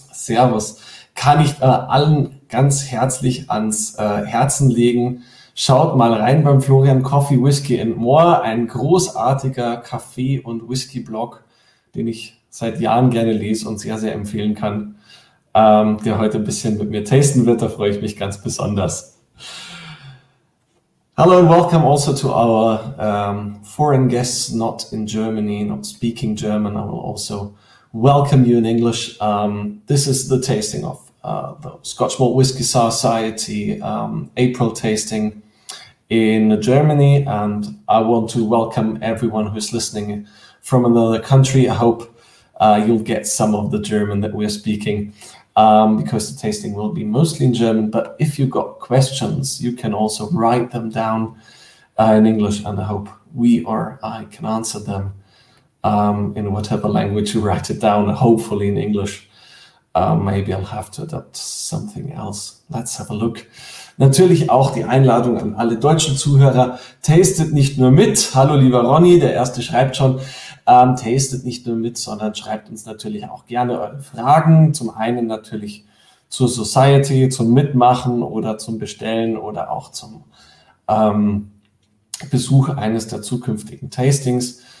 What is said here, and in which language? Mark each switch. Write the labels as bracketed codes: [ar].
[de] Servus. Kann ich allen ganz herzlich ans Herzen legen. Schaut mal rein beim Florian Coffee, Whiskey and More, ein großartiger Kaffee- und Whisky-Blog, den ich seit Jahren gerne lese und sehr, sehr empfehlen kann. Der heute ein bisschen mit mir tasten wird, da freue ich mich ganz besonders. [en] Hello and welcome also to our foreign guests not in Germany, not speaking German. I will also welcome you in English. This is the tasting of the Scotch Malt Whisky Society April tasting in Germany, and I want to welcome everyone who's listening from another country. I hope you'll get some of the German that we're speaking. Because the tasting will be mostly in German, but if you've got questions, you can also write them down in English, and I hope we or I can answer them in whatever language you write it down, hopefully in English. Maybe I'll have to adapt something else. Let's have a look. [de] Natürlich auch die Einladung an alle deutschen Zuhörer. Tastet nicht nur mit. Hallo, lieber Ronny, der Erste schreibt schon. Tastet nicht nur mit, sondern schreibt uns natürlich auch gerne eure Fragen. Zum einen natürlich zur Society, zum Mitmachen oder zum Bestellen oder auch zum Besuch eines der zukünftigen Tastings.